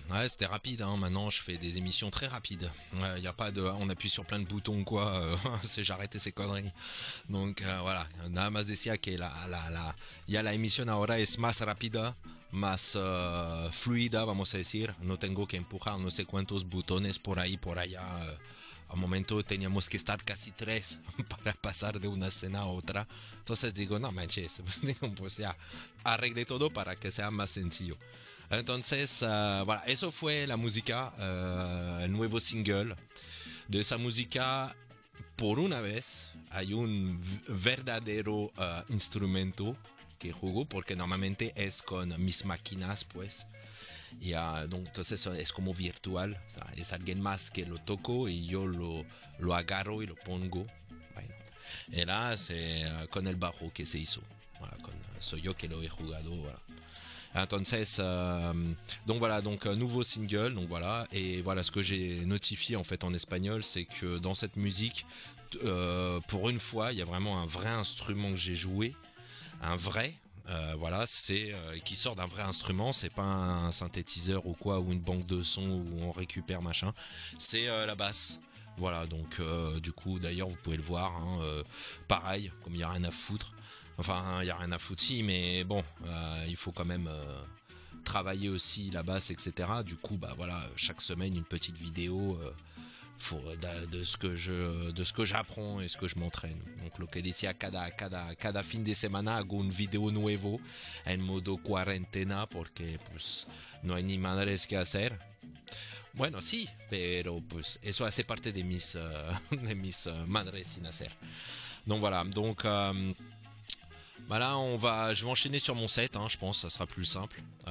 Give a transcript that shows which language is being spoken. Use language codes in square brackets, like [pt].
[fr] Ouais, c'était rapide, hein. Maintenant, je fais des émissions très rapides. Y a pas de, on appuie sur plein de boutons quoi. C'est j'arrêtais ces conneries. [es] Donc voilà, nada más decía que la ya la emisión ahora es más rápida, más fluida, vamos a decir. No tengo que empujar no sé cuántos botones por ahí por allá. Al momento teníamos que estar casi tres para pasar de una escena a otra. Entonces digo, no manches, pues ya, arreglé todo para que sea más sencillo. Entonces, voilà, eso fue la música, el nuevo single. De esa música, por una vez, hay un verdadero instrumento que juego, porque normalmente es con mis máquinas, pues. Entonces es como virtual, o sea, es alguien más que lo toco y yo lo agarro y lo pongo. Bueno, era con el bajo que se hizo, voilà, soy yo que lo he jugado. [fr] Voilà. Entonces, donc un nouveau single, donc voilà, et voilà ce que j'ai notifié en fait en espagnol, c'est que dans cette musique, pour une fois, il y a vraiment un vrai instrument que j'ai joué, un vrai. Voilà, c'est qui sort d'un vrai instrument, c'est pas un synthétiseur ou quoi, ou une banque de sons où on récupère machin, c'est la basse. Voilà, donc du coup, d'ailleurs, vous pouvez le voir, hein, pareil, comme il n'y a rien à foutre, enfin, il n'y a rien à foutre, si, mais bon, il faut quand même travailler aussi la basse, etc. Du coup, bah voilà, chaque semaine, une petite vidéo. De ce que j'apprends et ce que je m'entraîne. [es] Donc, lo que decía, cada fin de semana hago un video nuevo en modo cuarentena, porque pues no hay ni madres que hacer. Bueno, sí, pero pues eso hace parte de mis madres sin hacer. [fr] Donc, voilà. Donc, voilà, je vais enchaîner sur mon set, hein, je pense, ça sera plus simple.